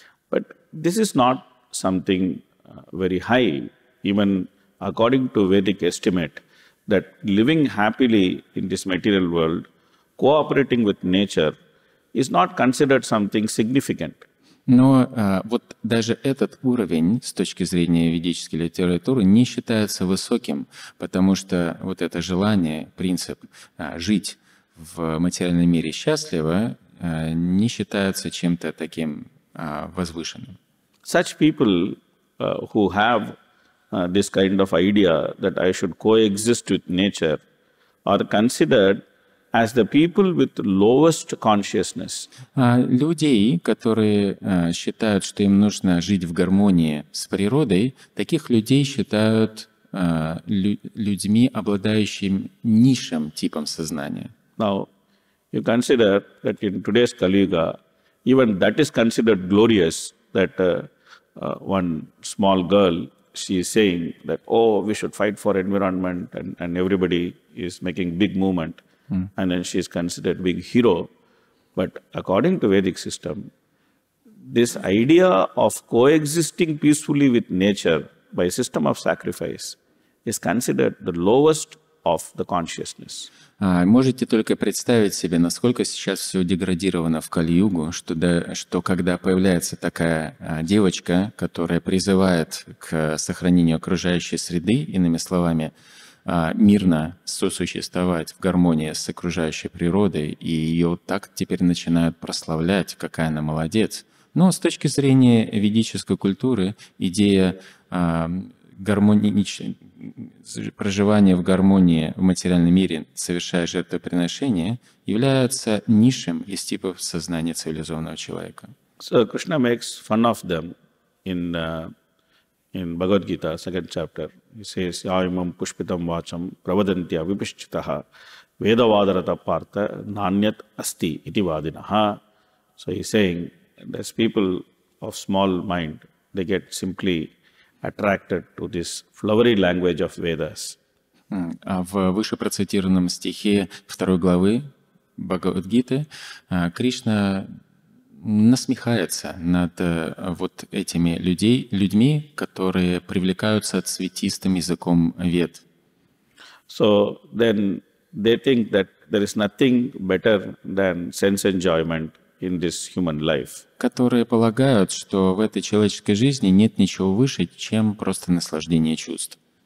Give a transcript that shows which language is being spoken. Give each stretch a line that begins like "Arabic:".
English: But this is not something very high, even according to Vedic estimate. that living happily in this material world, cooperating with nature, is not considered something significant.
Russian: Но вот даже этот уровень с точки зрения ведической литературы не считается высоким, потому что вот это желание, принцип жить в материальном мире счастливо не считается чем-то таким возвышенным.
English: Such people who have this kind of idea that I should coexist with nature are considered as the people with lowest consciousness.
Russian: Людей, которые считают, что им нужно жить в гармонии с природой, таких людей считают людьми, обладающими низшим типом сознания.
English: Now, you consider that in today's Kali Yuga, even that is considered glorious, that one small girl, she is saying that, oh, we should fight for environment, and everybody is making big movement. And then she is considered being hero, but according to Vedic system, this idea of coexisting peacefully with nature by a system of sacrifice is considered the lowest of the consciousness.
Russian: Можете только представить себе, насколько сейчас все деградировано в Кали-Югу, что когда появляется такая девочка, которая призывает к сохранению окружающей среды, иными словами, мирно сосуществовать в гармонии с окружающей природой, и ее так теперь начинают прославлять, какая она молодец. Но с точки зрения ведической культуры, идея проживания в гармонии в материальном мире, совершая жертвоприношение, является низшим из типов сознания цивилизованного человека.
English: So Krishna makes fun of them in Bhagavad Gita, second chapter.
Sanskrit: He says, Yāyumam puṣpitam vācham pravadantya vipiṣṭitaḥ vedavādarata pārta nānyat asti iti vādinaha.
English: So he's saying, there's people of small mind, they get simply attracted to this flowery language of Vedas.
Russian: А в выше процитированном стихе 2 главы Bhagavad Gita Кришна насмехается над вот этими людьми, которые привлекаются цветистым языком Вед.
English: So then they think that there is nothing better than sense enjoyment in this human life.
Russian: Которые полагают, что в этой человеческой жизни нет ничего выше, чем просто наслаждение чувств.